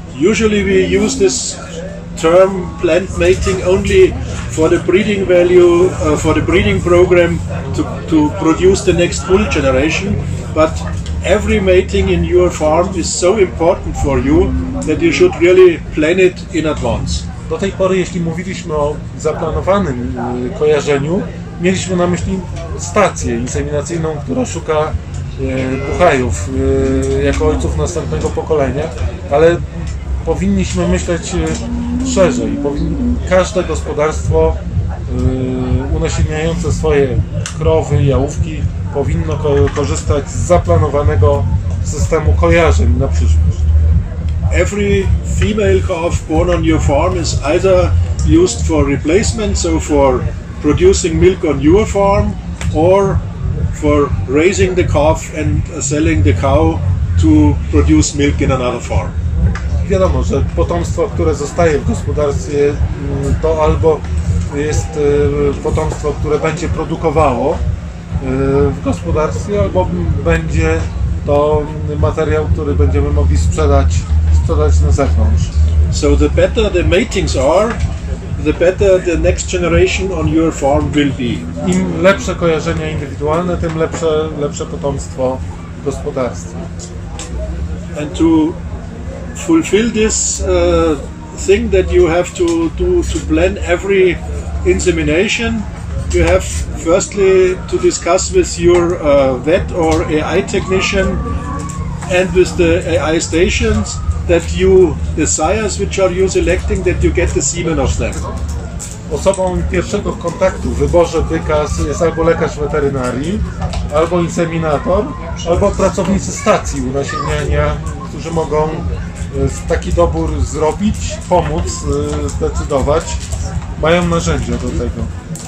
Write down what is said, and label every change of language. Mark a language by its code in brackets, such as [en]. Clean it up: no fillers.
[en] Usually we use this term planned mating only for the breeding value, for the breeding program to produce the next bull generation, but every mating in your farm is so important for you that you should really plan it in advance. [pl] Do tej pory, jeśli mówiliśmy o zaplanowanym kojarzeniu, mieliśmy na myśli stację inseminacyjną, która szuka buchajów jako ojców następnego pokolenia, ale powinniśmy myśleć szerzej. Każde gospodarstwo unasieniające swoje krowy, jałówki powinno korzystać z zaplanowanego systemu kojarzeń na przyszłość. [en] Every female calf born on your farm is either used for replacement, so for producing milk on your farm, or for raising the calf and selling the cow to produce milk in another farm. [pl] Wiadomo, że potomstwo, które zostaje w gospodarstwie, to albo jest potomstwo, które będzie produkowało w gospodarstwie, albo będzie to materiał, który będziemy mogli sprzedać na zewnątrz. [en] So the better the matings are, the better the next generation on your farm will be. [pl] Im lepsze kojarzenia indywidualne, tym lepsze potomstwo w gospodarstwie. [en] And to fulfill this thing that you have to do to plan every insemination, you have firstly to discuss with your vet or AI technician and with the AI stations that you, the sires which are you selecting, that you get the semen of them. [pl] osobą pierwszego kontaktu w wyborze byka jest albo lekarz weterynarii, albo inseminator, albo pracownicy stacji unasienniania, którzy mogą taki dobór zrobić, pomóc, zdecydować. Mają narzędzia do tego.